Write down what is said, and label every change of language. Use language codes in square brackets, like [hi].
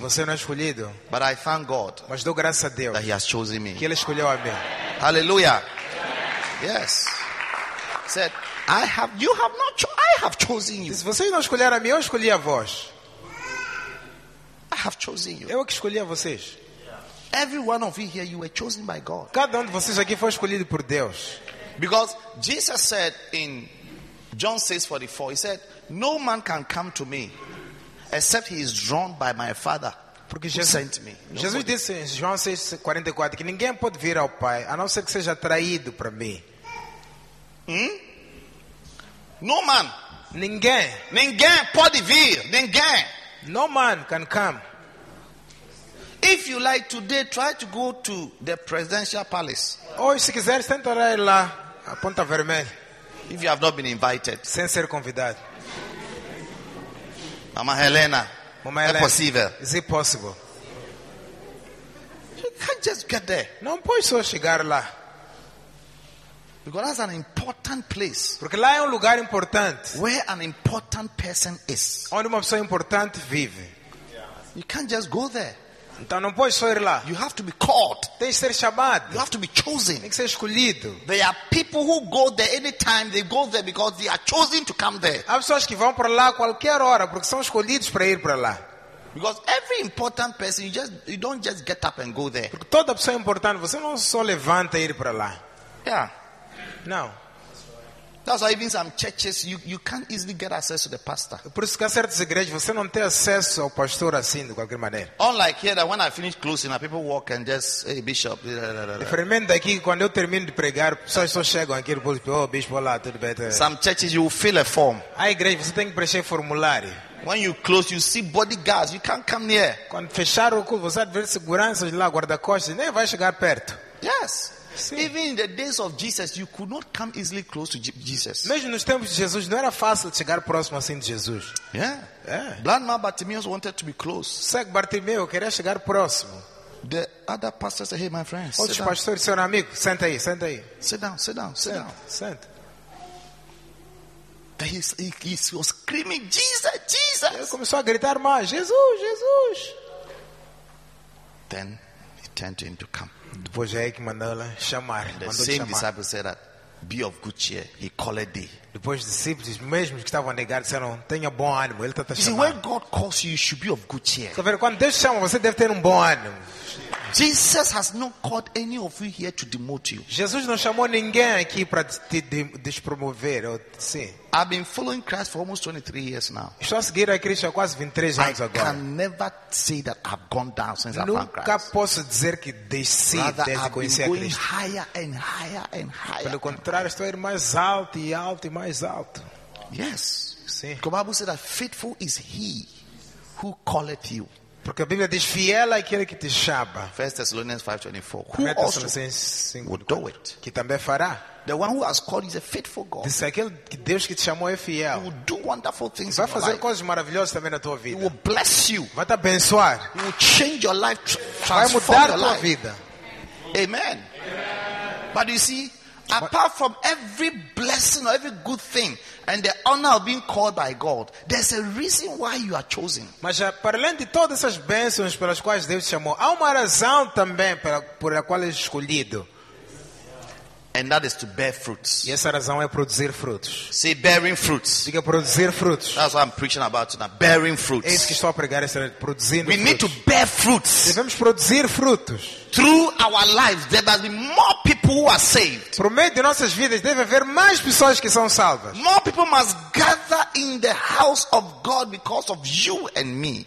[pt] você não é escolhido. [en] But I thank God, [pt] mas dou graças a Deus, [en] that He has chosen me. [pt] Que Ele escolheu a mim. [en] Hallelujah. Yes. Said, I have. You have not. I have chosen you. [pt] Se você não escolher a mim, eu escolhi a vós. [en] I have chosen you. [pt] Eu que escolhi a vocês. [en] Every one of you here, you were chosen by God. [pt] Cada de vocês aqui foi escolhido por Deus. [en] Because Jesus said in John 6:44, he said, "No man can come to me except he is drawn by my Father." [pt] Porque Jesus [en] sent me. [pt] Jesus disse em João 6:44 que ninguém pode vir ao Pai a não ser que seja atraído para mim. [en] No man, [pt] ninguém pode vir, ninguém. [en] No man can come. If you like today, try to go to the presidential palace. [pt] Oh, se quiser, tenta lá ir lá, a Ponta Vermelha. [en] If you have not been invited, [pt] sem ser convidado. Mama Helena, Mama Helena, é possível? [en] Is it possible? You can't just get there. [pt] Não pode só chegar lá. [en] Because that's an important place. [pt] Porque lá é lugar importante. [en] Where an important person is. [pt] Onde uma pessoa importante vive. [en] You can't just go there. [pt] Então não pode só ir lá. [en] You have to be called. [pt] Tem que ser chamado. [en] You have to be chosen. [pt] Tem que ser escolhido. [en] There are people who go there anytime. They go there because they are chosen to come there. [pt] Há pessoas que vão para lá qualquer hora porque são escolhidos para ir para lá. [en] Because every important person, you don't just get up and go there. [pt] Porque toda pessoa importante, você não só levanta e ir para lá. [en] Yeah. [pt] Não. [en] That's why even some churches you can't easily get access to the pastor. [pt] Por isso que há certas igrejas você não tem acesso ao pastor assim de qualquer maneira. [en] Unlike here, that when I finish closing, people walk and just, hey, bishop. [pt] Diferente daqui, quando eu termino de pregar, pessoas só chegam aqui e dizem, oh, bishop, olá, tudo bem. [en] Some churches you fill a form. [pt] Há igrejas você tem que preencher formulário. [en] When you close, you see bodyguards. You can't come near. [pt] Quando fechar o culto, você vê segurança lá, guarda-costas, nem vai chegar perto. [en] Yes. See. Even in the days of Jesus, you could not come easily close to Jesus. [pt] Mesmo nos tempos de Jesus, não era fácil chegar próximo assim de Jesus. [en] Yeah. Blind man Bartimaeus wanted to be close. [pt] Cego Bartimeu queria chegar próximo. [en] The other pastor said, "Hey, my friends." [pt] Outros pastores, seu amigo, senta aí, senta aí. [en] Sit down. [pt] Senta. [en] He was screaming, "Jesus, Jesus!" [pt] Ele começou a gritar mais, "Jesus, Jesus!" [en] Then he turned him to come. [pt] Depois é que mandou ela chamar. [en] And the same disciple said that, "Be of good cheer." He called thee. [pt] Depois os discípulos, mesmo que estavam negados, disseram, "Tenha bom ânimo." Ele está chamando. [en] When God calls you, you should be of good cheer. [pt] Sabe, quando Deus chama, você deve ter bom ânimo. [en] Jesus has not called any of you here to demote you. [pt] Jesus não chamou ninguém aqui para te despromover. Sim. [en] I've been following Christ for almost 23 years now. [pt] Estou a seguir a Cristo há quase 23 anos agora. [en] I can never say that I've gone down since I found Christ. [pt] Nunca posso dizer que desci desde que conheci a Cristo. [en] I've been going higher and higher and higher. [pt] Pelo contrário, estou a ir mais alto e alto e mais alto. [en] Yes. [pt] Sim. Como a Bíblia diz, [en] faithful is he who calleth you. [pt] Porque a Bíblia diz, fiel é aquele que te chama. [en] 1 Thessalonians 5:24. Who also will do it? [pt] Que também fará. [en] The one who has called is a faithful God. [pt] Diz aquele Deus que te chamou é fiel. [en] He will do wonderful things. [pt] Vai fazer coisas maravilhosas também na tua vida. [en] He will bless you. [pt] Vai te abençoar. [en] He will change your life. [pt] Vai mudar tua vida. [en] Amen. But you see, apart from every blessing or every good thing and the honor of being called by God, there's a reason why you are chosen. [pt] Mas para além de todas essas bênçãos pelas quais Deus te chamou, há uma razão também pela qual és escolhido. [en] And that is to bear fruits. [pt] E essa razão é produzir frutos. [en] See, bearing fruits. [pt] Diga produzir frutos. [en] That's what I'm preaching about now. Bearing fruits. [pt] É isso que estou a pregar, essa produzindo [en] frutos. We need to bear fruits. [pt] Devemos produzir frutos. [en] Through our lives, there must be more people who are saved. [pt] Por meio de nossas vidas, deve haver mais pessoas que são salvas. [en] More people must gather in the house of God because of you and me.